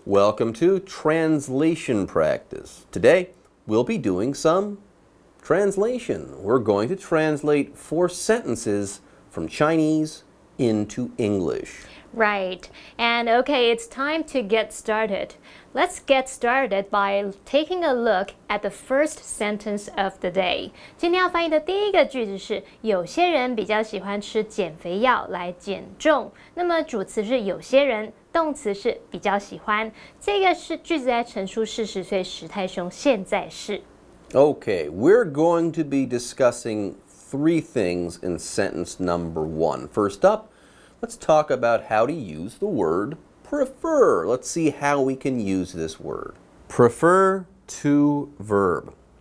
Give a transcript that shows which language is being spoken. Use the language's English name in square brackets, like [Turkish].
[English] Welcome to Translation Practice. Today,We'll be doing some translation. We're going to translate 4 sentences from Chinese into English. Right. And okay, it's time to get started. Let's get started by taking a look at the first sentence of the day. [Chinese] 今天要翻译的第一个句子是有些人比较喜欢吃减肥药来减重。那么主词是有些人。动词是比较喜欢，这个是句子在陈述事实，所以时态是现在式。 [English] Okay, we're going to be discussing 3 things in sentence number 1. First up, let's talk about how to use the word prefer. Let's see how we can use this word. Prefer to verb.